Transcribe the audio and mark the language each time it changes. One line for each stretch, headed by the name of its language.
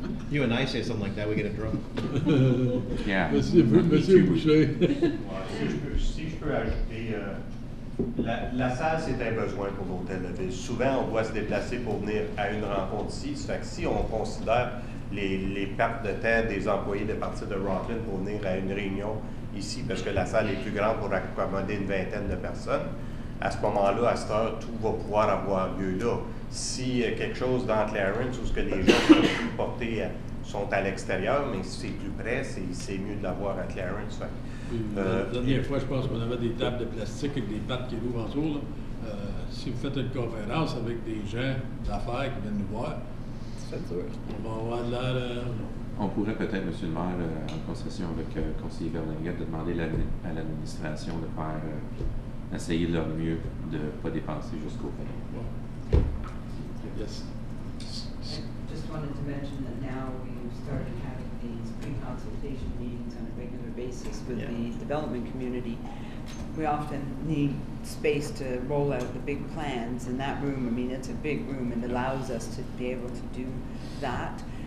English: You and I say something like that, we get a drunk. Yeah.
French: Monsieur Boucher. Si je peux ajouter, la salle, c'est un besoin pour l'hôtel de ville. Souvent, on doit se déplacer pour venir à une rencontre ici. Ça fait que si on considère les pertes de temps des employés de partir de Rockland pour venir à une réunion ici, parce que la salle est plus grande pour accommoder une vingtaine de personnes, à ce moment-là, à cette heure, tout va pouvoir avoir lieu là. Si quelque chose dans Clarence ou ce que les gens sont plus portés sont à l'extérieur, mais si c'est plus près, c'est mieux de l'avoir à Clarence. Fait, la dernière fois, je pense qu'on avait des tables de plastique avec des pattes qui l'ouvrent en dessous. Si vous faites une conférence avec des gens d'affaires qui viennent nous voir, c'est sûr. On va avoir de l'air. On pourrait peut-être, M. le maire, en concession avec le conseiller Berlinguer, de demander à l'administration de faire essayer leur mieux de ne pas dépenser jusqu'au fond. Ouais.
English: Yes. I just wanted to mention that now we've started having these pre-consultation meetings on a regular basis with the development community. We often need space to roll out the big plans in that room. I mean, it's a big room and allows us to be able to do that.